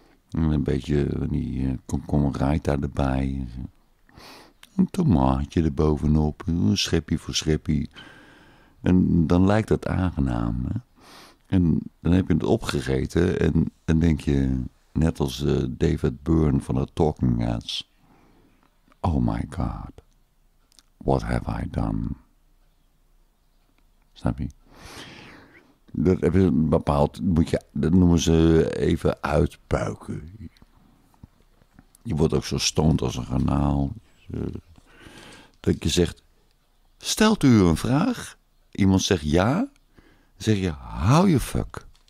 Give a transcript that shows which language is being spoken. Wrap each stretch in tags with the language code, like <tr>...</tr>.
<nl>En een beetje die komkommerraita erbij. Een tomaatje erbovenop, een schepje voor schepje. En dan lijkt dat aangenaam. Hè? En dan heb je het opgegeten en dan denk je, net als David Byrne van de Talking Heads.</nl> <en>Oh my god, what have I done?</en> <nl>Snap je? Dat heb je bepaald, moet je, dat noemen ze even uitpuiken. Je wordt ook zo stoned als een garnaal. Dat je zegt, stelt u een vraag? Iemand zegt ja. Dan zeg je,</nl> <en>how you fuck?</en>